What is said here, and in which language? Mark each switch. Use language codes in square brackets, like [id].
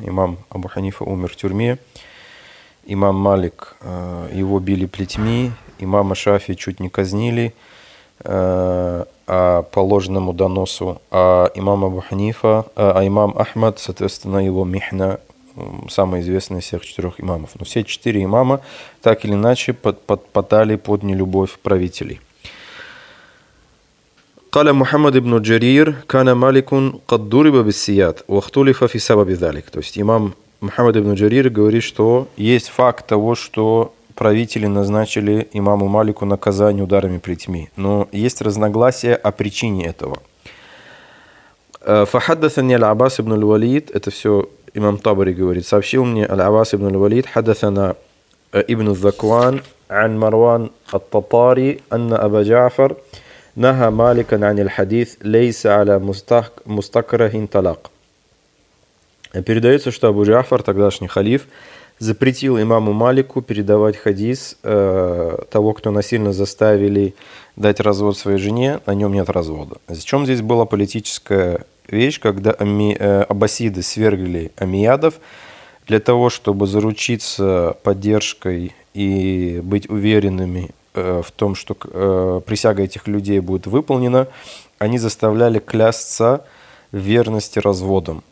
[ru] Имам Абу Ханифа умер в тюрьме, имам Малик, его били плетьми, имама Шафии чуть не казнили по ложному доносу, а имам Абу Ханифа, а имам Ахмад, соответственно, его михна, самый известный из всех четырех имамов. Но все четыре имама так или иначе подпадали под нелюбовь правителей. [ar] قال محمد بن جرير كان مالك قد ضرب بالسياط واختلف في سبب ذلك. [ru] То есть имам Мухаммад ибн Джарир говорит, что есть факт того, что правители назначили имаму Малику наказание ударами плетьми, но есть разногласия о причине этого. [ar] فحدثني العباس بن الوليد, [ru] это все имам Табари говорит, сообщил мне [ar] العباس بن الوليد, حدثنا ابن الذكوان عن مروان الططاري أن أبا جعفر نهى مالكا عن الحديث ليس على مستكره طلاق. [ru] Передается, что Абу Джафар, тогдашний халиф, запретил имаму Малику передавать хадис того, кто насильно заставили дать развод своей жене, на нем нет развода. Зачем здесь была политическая вещь, когда аббасиды свергли амиядов для того, чтобы заручиться поддержкой и быть уверенными в том, что присяга этих людей будет выполнена, они заставляли клясться в верности разводам.